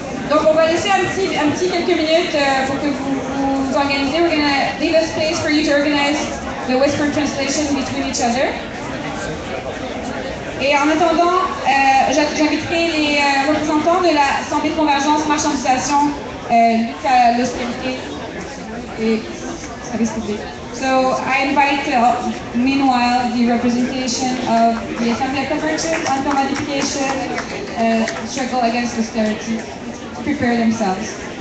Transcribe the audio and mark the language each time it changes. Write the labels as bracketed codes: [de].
[fr] Donc on va laisser un petit quelques minutes pour que vous organisez. [en] We're gonna leave a space for you to organize the whisper translation between each other. [fr] Et en attendant, j'inviterai les représentants de la santé de convergence, marchandisation, lutte à l'austérité et à risque. [en] So I invite, meanwhile, the representation of the Assembly of Convergence on commodification, struggle against austerity, to prepare themselves.